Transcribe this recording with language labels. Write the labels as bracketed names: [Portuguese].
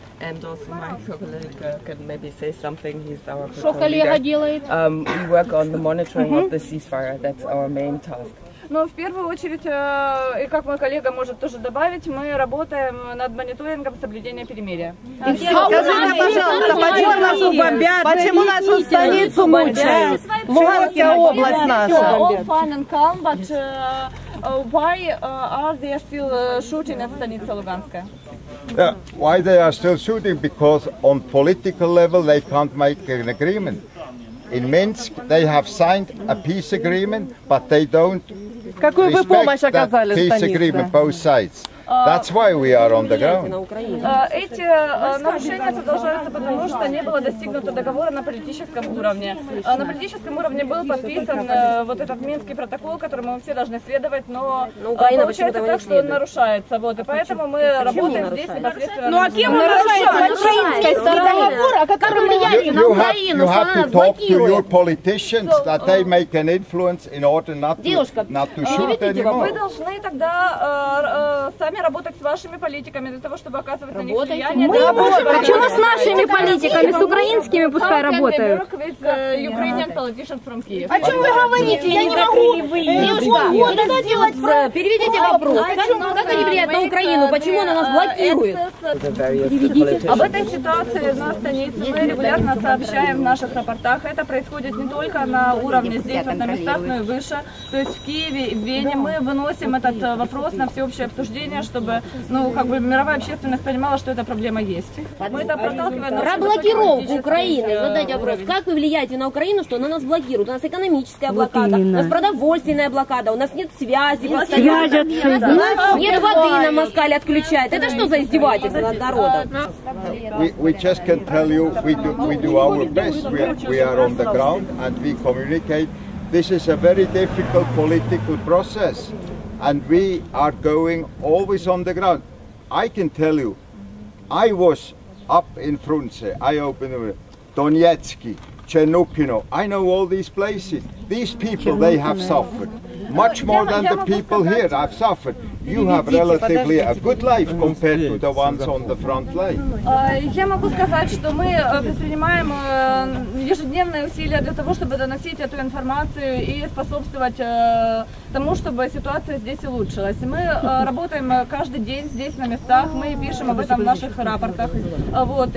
[English] And also my colleague can maybe say something. He's our leader. We work on the monitoring of the ceasefire. That's our main task. [Russian] Но в первую очередь, и как мой коллега может тоже добавить, мы работаем над мониторингом соблюдения перемирия. Скажите, пожалуйста, почему нас бомбят? Почему нашу столицу мучают? Луганская область наша. [English] All fine and calm, but why are they still shooting at Станица Луганская? Yeah, why they are still shooting? Because on political level they can't make an agreement. In Minsk they have signed a peace agreement, but they don't respect that peace agreement, both sides. That's why we are on the ground. [Russian] Эти нарушения продолжаются, потому что не было достигнуто договора на политическом уровне. На политическом уровне был подписан вот этот Минский протокол, которому мы все должны следовать, но получается так, что он нарушается. Вот, и поэтому мы работаем здесь непосредственно. Ну а кем он нарушается? На украинской стороне. Договор, а как он влияет на Украину? Что она нас блокирует? [English] You have to talk to your politicians, that they make an influence in order not to shoot anymore. [Russian] Вы должны тогда сами работать с вашими политиками для того, чтобы оказывать работать на них влияние. Мы работаем. Почему с нашими политиками, с украинскими пускай работают? [English] Yeah. [Russian] О чем вы говорите? Я не могу. Переведите вопрос. Как они влияют на Украину? Почему она нас блокирует? Об этой ситуации на Станице мы регулярно сообщаем в наших рапортах. Это происходит не только на уровне здесь, на местах, но и выше. То есть в Киеве, в Вене мы выносим этот вопрос на всеобщее обсуждение, чтобы, ну, как бы мировая общественность понимала, что эта проблема есть. Мы это проталкиваем. Про блокировку Украины. Задайте вопрос. Как вы влияете на Украину, что она нас блокирует? У нас экономическая блокада. У нас продовольственная блокада. У нас нет связи. Нет воды на Москале отключает. Это что за издевательство над народом? [English] We just can tell you, we do our best. We are on the ground and we communicate. This is a very difficult political process. And we are going always on the ground. I can tell you, I was up in Frunze, I opened the Donetsk, Chernukino. I know all these places. These people, they have suffered. Much more than the people here have suffered. You have relatively a good life compared to the ones on the front line. [Russian] Я могу сказать, что мы предпринимаем ежедневные усилия для того, чтобы доносить эту информацию и способствовать тому, чтобы ситуация здесь улучшилась. Мы работаем каждый день здесь на местах, мы пишем об этом в наших рапортах. Вот.